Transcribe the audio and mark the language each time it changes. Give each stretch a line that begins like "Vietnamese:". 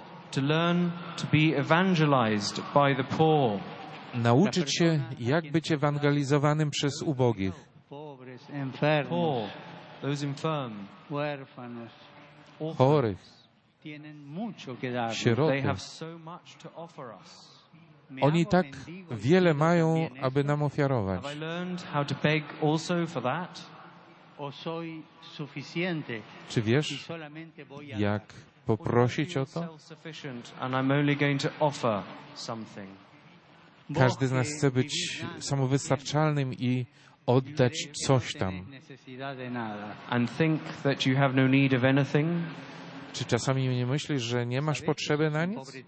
English: To learn to be evangelized by the poor.
Polish: Nauczyć się, jak być ewangelizowanym przez ubogich.
Spanish: Pobres, enfermos.
English: Poor, those infirm.
Spanish: Huérfanos.
Polish: Chorych. Sieroty.
English: They have so much to offer us.
Polish: Oni tak wiele mają, aby nam ofiarować.
English: Have I learned how to beg also for that?
Spanish: O soy suficiente.
Polish: Czy wiesz, jak poprosić o to?
English: And I'm only going to offer something.
Polish: Każdy z nas chce być samowystarczalnym i oddać coś tam.
English: And think that you have no need of anything.
Polish: Czy czasami nie myślisz, że nie masz potrzeby na nic?